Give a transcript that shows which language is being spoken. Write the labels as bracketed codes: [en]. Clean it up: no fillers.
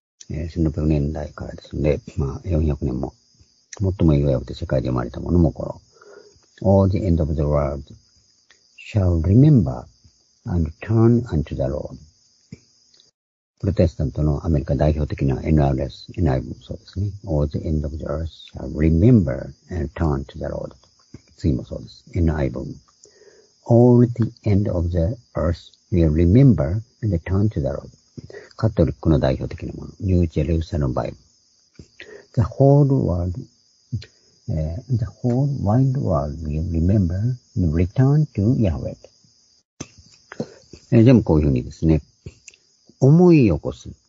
[ja] 1600年代からですね。まあ、400年も。最も英語訳で世界で生まれたものもこの。 [en] All the end of the world shall remember and turn unto the Lord. [ja] プロテスタントのアメリカ代表的な NRS、NIV もそうですね。 [en] All the end of the earth shall remember and turn to the Lord. [ja] 次もそうです。NIV も。 [en] All the end of the earth will remember and turn to the Lord. [ja] カトリックの代表的なもの。ニュージェルサルバイブ。 [en] The whole world, the whole wide world will remember and return to Yahweh. [ja] 全部こういうふうにですね、思い起こす。